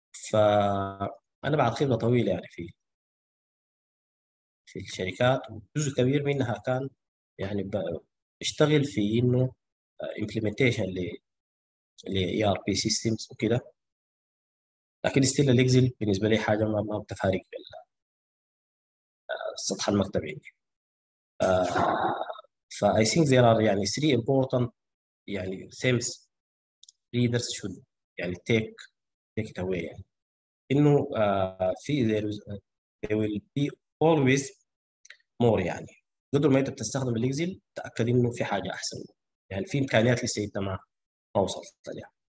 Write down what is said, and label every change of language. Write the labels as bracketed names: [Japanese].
[Arabic] فانا بعد خبره طويله يعني في الشركات وجزء كبير منها كان يعني بشتغل في انه امبلمنتيشن ل ERP systems وكده، لكن استيل الإكسل بالنسبه لي حاجه ما بتفارق السطح المكتبي. [English] So I think there are يعني three important يعني themes readers should يعني take it away. [Arabic] يعني إنه في [English] there will be always more، [Arabic] يعني قدر ما أنت بتستخدم الإكسل تأكد إنه في حاجة أحسن، يعني في إمكانيات لسه أنت ما وصلت لها.